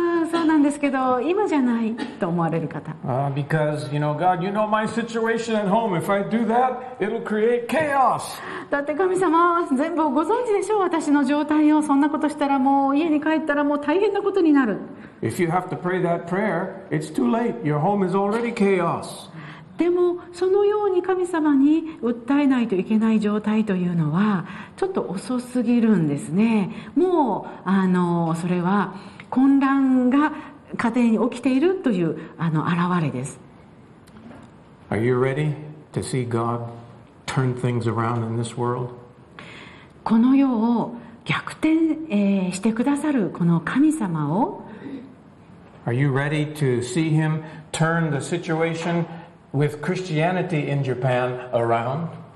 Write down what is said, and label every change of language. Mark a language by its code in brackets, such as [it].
[ja] そうなんですけど、今じゃないと思われる方。 [en] Because, you know, God, you know my situation at home. If I do that, it'll create chaos. [ja] だって神様、全部ご存知でしょう、私の状態を。そんなことしたらもう家に帰ったらもう大変なことになる。 [en] If you have to pray that prayer, it's too late. Your home is already chaos. [ja] でもそのように神様に訴えないといけない状態というのはちょっと遅すぎるんですね。もうそれは混乱が家庭に起きているという表れです。 [en] Are you ready to see God turn things around in this world? [ja] この世を逆転、してくださるこの神様を、 [en] Are you ready to see him turn the situationWith Christianity in Japan around?